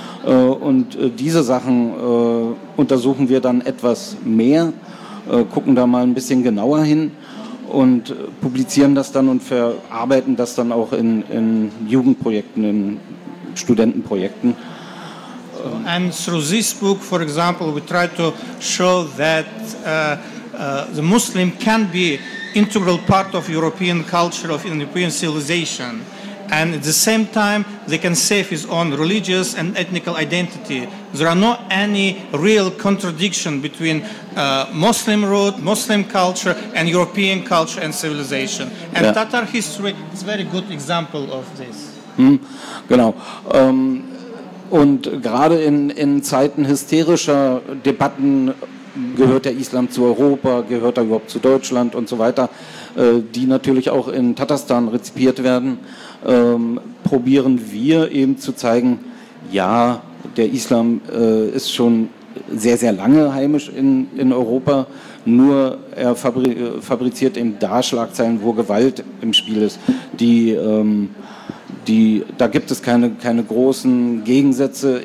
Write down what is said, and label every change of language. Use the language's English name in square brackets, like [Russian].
[German] Und diese Sachen untersuchen wir dann etwas mehr, gucken da mal ein bisschen genauer hin und publizieren das dann und verarbeiten das dann auch in Jugendprojekten, in Studentenprojekten. [English] And through this book, for example, we try to show that the Muslim can be integral part of European culture, of European civilization, and at the same time they can save his own religious and ethnical identity. There are not any real contradiction between Muslim root, Muslim culture, and European culture and civilization. And yeah. Tatar history is a very good example of this. [German] Genau. Und gerade in Zeiten hysterischer Debatten, gehört der Islam zu Europa, gehört er überhaupt zu Deutschland und so weiter, die natürlich auch in Tatarstan rezipiert werden, probieren wir eben zu zeigen, ja, der Islam ist schon sehr, sehr lange heimisch in Europa, nur er fabriziert eben da Schlagzeilen, wo Gewalt im Spiel ist, da gibt es keine großen Gegensätze.